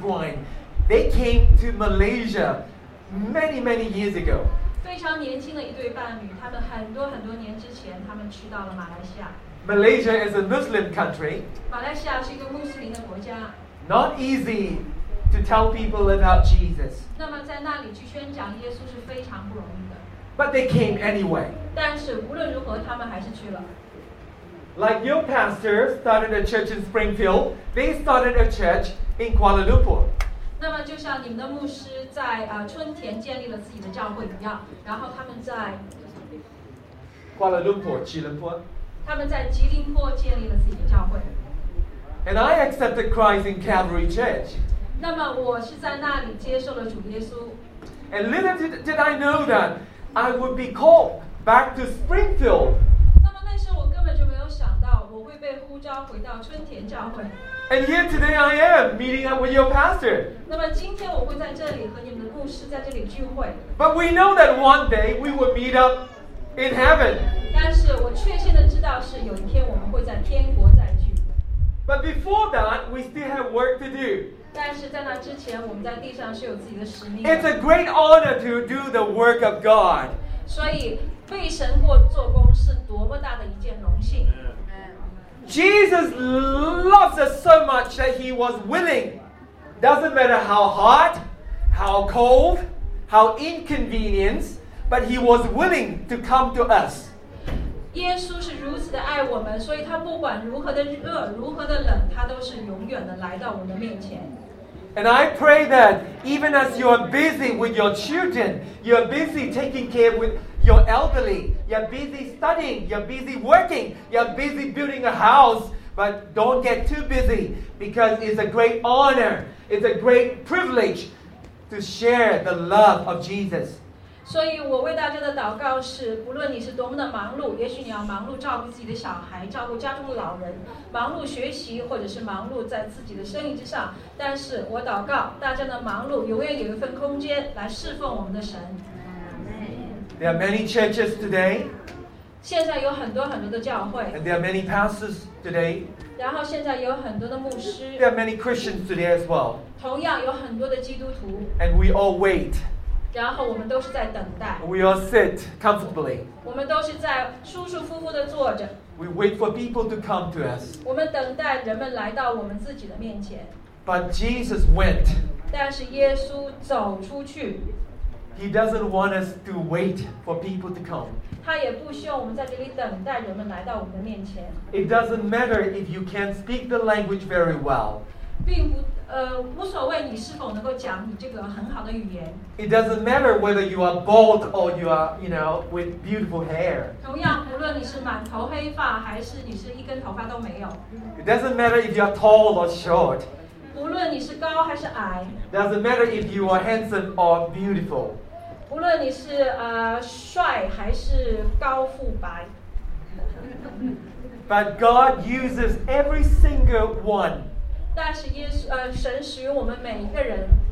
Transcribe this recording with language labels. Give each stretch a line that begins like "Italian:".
English: Gwines, they came to Malaysia many, many years ago.
Chinese: 非常年轻的一对伴侣，他们很多很多年之前，他们去到了马来西亚。
English: Malaysia is a Muslim country.
Chinese: 马来西亚是一个穆斯林的国家。
English: Not easy to tell people about Jesus.
Chinese: 那么在那里去宣讲耶稣是非常不容易的。
English: But they came anyway.
Chinese: 但是无论如何，他们还是去了。
English: Like your pastor started a church in Springfield, they started a church in Kuala Lumpur.
Chinese: 那么就像你们的牧师在春田建立了自己的教会一样，然后他们在 Kuala Lumpur, 吉隆坡，他们在吉隆坡建立了自己的教会。
English: And I accepted Christ in Calvary Church.
Chinese: 那么我是在那里接受了主耶稣。
English: And little did I know that I would be called back to Springfield.
Chinese: 那么那时我根本就没有想到我会被呼召回到春田教会。
English: And here today I am meeting up with your pastor.
Chinese: 那么今天我会在这里和你们的牧师在这里聚会。
English: But we know that one day we will meet up in heaven.
Chinese: 但是我确切的知道是有一天我们会在天国再聚。
English: But before that, we still have work to do.
Chinese: 但是在那之前，我们在地上是有自己的使命。
English: It's a great honor to do the work of God.
Chinese: 所以被神过做工是多么大的一件荣幸。
English: Jesus loves us so much that he was willing. Doesn't matter how hot, how cold, how inconvenient, but he was willing to come to us.
Chinese: 耶稣是如此的爱我们，所以他不管如何的热，如何的冷，他都是永远的来到我们的面前。
English: And I pray that even as you are busy with your children, you are busy taking care with your elderly, you are busy studying, you are busy working, you are busy building a house, but don't get too busy because it's a great honor, it's a great privilege to share the love of Jesus.
Chinese: 所以我为大家的祷告是，不论你是多么的忙碌，也许你要忙碌照顾自己的小孩，照顾家中的老人，忙碌学习，或者是忙碌在自己的生意之上，但是我祷告大家的忙碌永远有一份空间来侍奉我们的神。
English: There are many churches today.
Chinese: 现在有很多很多的教会。
English: And there are many pastors today.
Chinese: 然后现在有很多的牧师。
English: There are many Christians today as well.
Chinese: 同样有很多的基督徒。
English: And we all wait.
Chinese: 然后我们都是在等待。
English: We all sit comfortably.
Chinese: 我们都是在舒舒服服的坐着。
English: We wait for people to come to us.
Chinese: 我们等待人们来到我们自己的面前。
English: But Jesus went.
Chinese: 但是耶稣走出去。
English: He doesn't want us to wait for people to come.
Chinese: 他也不希望我们在这里等待人们来到我们的面前。
English: It doesn't matter if you can't speak the language very well.
Chinese: 并不，无所谓你是否能够讲你这个很好的语言。
English: It doesn't matter whether you are bald or you are, you know, with beautiful hair.
Chinese: 同样，无论你是满头黑发，还是你是一根头发都没有。
English: It doesn't matter if you are tall or short.
Chinese: 无论你是高还是矮
English: doesn't matter if you are handsome or beautiful.
Chinese: 无论你是帅还是高富白
English: But God uses every single one.
Chinese: 但是耶稣神使用我们每一个人